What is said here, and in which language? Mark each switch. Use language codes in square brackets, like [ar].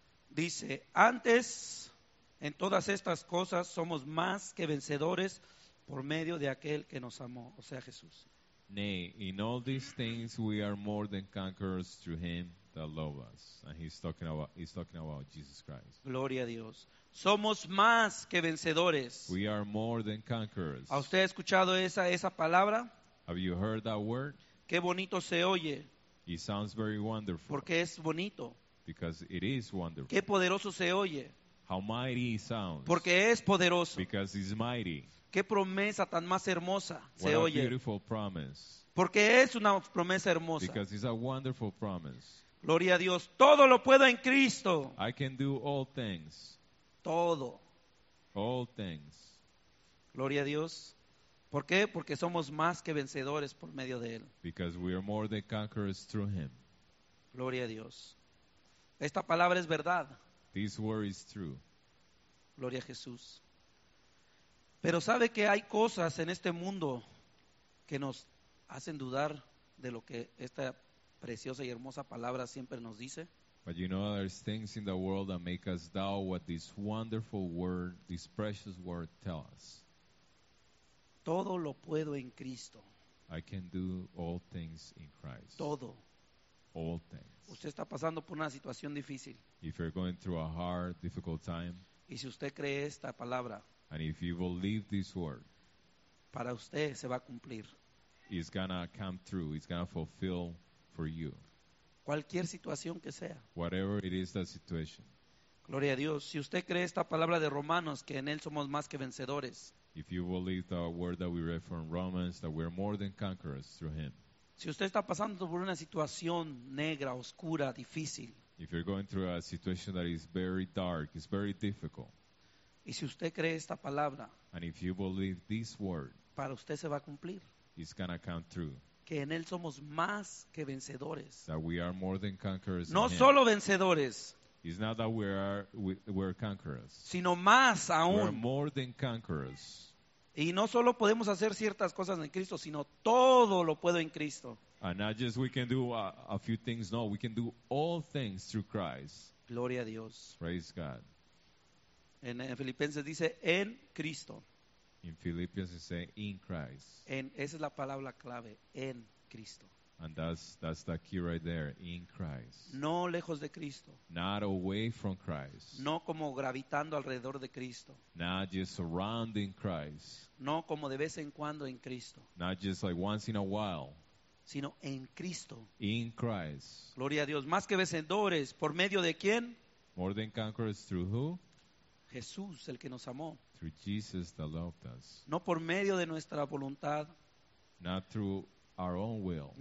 [es] Dice, antes, en todas estas cosas, somos más que vencedores por medio de aquel que nos amó, o sea, Jesús. [en] Nay, in all these things we are more than conquerors through him. That love us. And he's talking about Jesus Christ. [es] Gloria a Dios. Somos más que vencedores. [en] We are more than conquerors. [es] ¿A usted ha escuchado esa palabra? [en] Have you heard that word? [es] Qué bonito se oye. [en] It sounds very wonderful. [es] Porque es bonito. [en] Because it is wonderful. [es] Qué poderoso se oye. [en] How mighty it sounds. [es] Porque es poderoso. [en] Because it's mighty. [es] Qué promesa tan más hermosa [en] What [es] se oye. [en] What a beautiful promise. [es] Porque es una promesa hermosa. [en] Because it's a wonderful promise. [es] Gloria a Dios. Todo lo puedo en Cristo. [en] I can do all things. [es] Todo. [en] All things. [es] Gloria a Dios. ¿Por qué? Porque somos más que vencedores por medio de Él. [en] Because we are more than conquerors through Him. [es] Gloria a Dios. Esta palabra es verdad. [en] This word is true. [es] Gloria a Jesús. Pero sabe que hay cosas en este mundo que nos hacen dudar de lo que esta preciosa y hermosa palabra siempre nos dice. [en] But you know there's things in the world that make us doubt what this wonderful word, this precious word tells us. [es] Todo lo puedo en Cristo. [en] I can do all things in Christ. [es] Todo. [en] All things. [es] Usted está pasando por una situación difícil. [en] If you're going through a hard, difficult time. [es] Y si usted cree esta palabra. [en] And if you believe this word. [es] Para usted se va a cumplir. [en] It's gonna come true. It's gonna fulfill for you. [es] Cualquier situación que sea. [en] Whatever it is, the situation. [es] Gloria a Dios. Si usted cree esta palabra de Romanos, que en él somos más que vencedores. [en] If you believe the word that we read from Romans, that we're more than conquerors through him. [es] Si usted está pasando por una situación negra, oscura, difícil. [en] If you're going through a situation that is very dark, it's very difficult. [es] Y si usted cree esta palabra. [en] And if you believe this word. [es] Para usted se va a cumplir. [en] It's gonna come true. [es] Que en él somos más que vencedores. [en] That we are more than conquerors. [es] No solo vencedores. [en] It's not that we're conquerors. [es] Sino más aún. [en] We're more than conquerors. [es] Y no solo podemos hacer ciertas cosas en Cristo, sino todo lo puedo en Cristo. [en] And not just we can do a few things, no, we can do all things through Christ. [es] Gloria a Dios. [en] Praise God. [es] En Filipenses dice, en Cristo. [en] In Philippians it says, in Christ. [es] En, esa es la palabra clave, en Cristo. [en] And that's the key right there, in Christ. [es] No lejos de Cristo. [en] Not away from Christ. [es] No como gravitando alrededor de Cristo. [en] Not just surrounding Christ. [es] No como de vez en cuando en Cristo. [en] Not just like once in a while. [es] Sino en Cristo. [en] In Christ. [es] Gloria a Dios. Más que vencedores, ¿por medio de quién? [en] More than conquerors through who? [es] Jesús, el que nos amó. [en] Through Jesus that loved us. [es] No por medio de nuestra voluntad. [en] Not through our own will.